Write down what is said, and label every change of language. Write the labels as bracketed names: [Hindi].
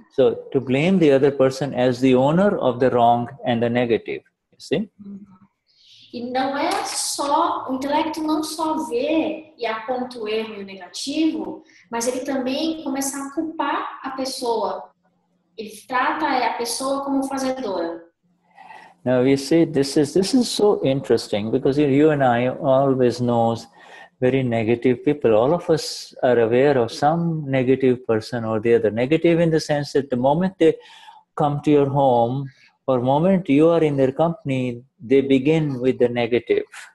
[English] So to blame the other person as the owner of the wrong and the negative, you see? [Portuguese] E não é só, o intelecto não só vê e aponta o erro e o negativo, mas ele também começa a culpar a pessoa. Ele trata a pessoa como fazedora. [English] Now you see, this is so interesting, because you and I always know very negative people. All of us are aware of some negative person or the other. Negative in the sense that the moment they come to your home, or moment you are in their company, they begin with the negative.